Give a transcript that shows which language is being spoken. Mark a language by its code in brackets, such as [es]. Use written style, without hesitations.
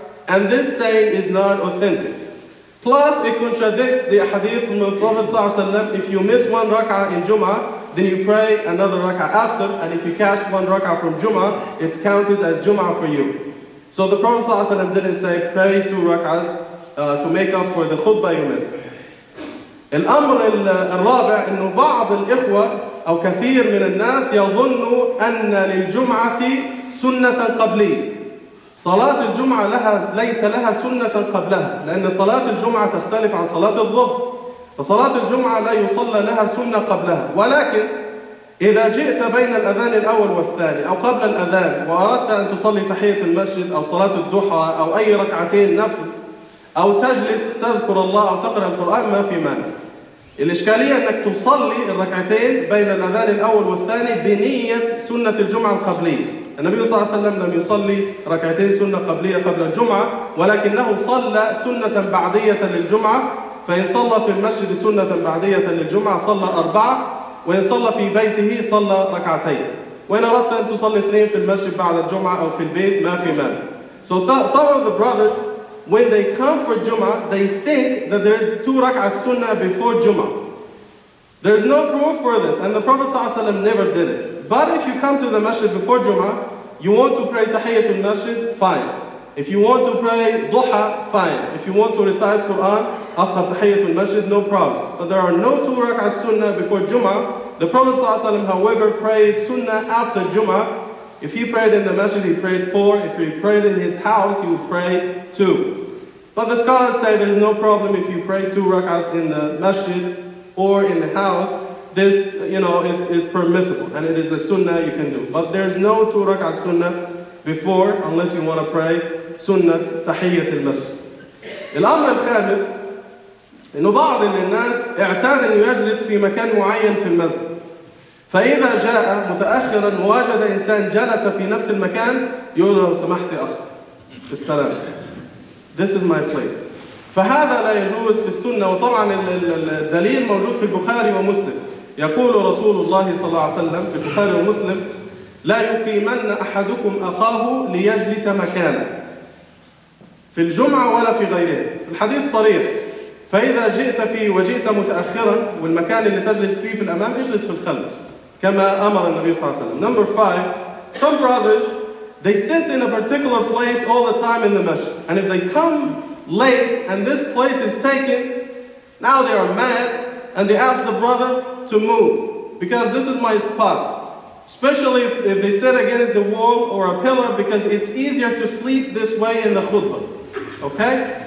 [en] And this saying is not authentic. Plus, it contradicts the hadith from the Prophet sallallahu alayhi wa sallam, if you miss one rak'ah in Jum'ah, then you pray another rak'ah after, and if you catch one rak'ah from Jum'ah, it's counted as Jum'ah for you. So the Prophet sallallahu alayhi wa sallam didn't say, pray two rak'ahs to make up for the khutbah you missed. [ar] الأمر الرابع أنه بعض الإخوة أو كثير من الناس يظن أن للجمعة سنة قبلية. صلاة الجمعة لها ليس لها سنة قبلها، لأن صلاة الجمعة تختلف عن صلاة الظهر، فصلاة الجمعة لا يصلى لها سنة قبلها. ولكن إذا جئت بين الأذان الأول والثاني أو قبل الأذان وأردت أن تصلي تحية المسجد أو صلاة الضحى أو أي ركعتين نفل أو تجلس تذكر الله أو تقرأ القرآن، ما في مانع. الإشكالية أنك تصلي الركعتين بين الأذان الأول والثاني بنية سنة الجمعة القبلية. النبي صلى الله عليه وسلم لم يصلي ركعتين سنة قبلية قبل الجمعة، ولكنه صلى سنة بعدية للجمعة. فإن صلى في المسجد سنة بعدية للجمعة صلى أربعة، وإن صلى في بيته صلى ركعتين، وإن أردت أن تصلي اثنين في المسجد بعد الجمعة أو في البيت ما في مانع. [en] So some of the brothers, when they come for Jum'ah, they think that there is two rak'ah sunnah before Jum'ah. There is no proof for this, and the Prophet ﷺ never did it. But if you come to the masjid before Jum'ah, you want to pray tahiyyatul masjid, fine. If you want to pray duha, fine. If you want to recite Quran after tahiyyatul masjid, no problem. But there are no two rak'ah sunnah before Jum'ah. The Prophet ﷺ, however, prayed sunnah after Jum'ah. If he prayed in the masjid, he prayed four. If he prayed in his house, he would pray two. But the scholars say there's no problem if you pray two rak'ahs in the masjid or in the house. This, you know, is permissible, and it is a sunnah you can do. But there's no two rak'ahs sunnah before, unless you want to pray sunnah tahiyyat al-masjid. [ar] الأمر الخامس إنه بعض الناس اعتاد أن يجلس في مكان معين في المسجد. فإذا جاء متأخرا ووجد إنسان جلس في نفس المكان يقول لو سمحت أخ السلام [en] This is my place. [ar] فهذا لا يجوز في السنة، وطبعا الدليل موجود في البخاري ومسلم. يقول رسول الله صلى الله عليه وسلم في البخاري ومسلم لا يقيمن أحدكم أخاه ليجلس مكانا في الجمعة ولا في غيره. الحديث صريح. فإذا جئت فيه وجئت متأخرا والمكان اللي تجلس فيه في الأمام اجلس في الخلف كما أمر النبي صلى الله عليه وسلم. [en] Number five, some brothers, they sit in a particular place all the time in the masjid. And if they come late and this place is taken, now they are mad and they ask the brother to move because this is my spot. Especially if they sit against the wall or a pillar because it's easier to sleep this way in the khutbah. Okay?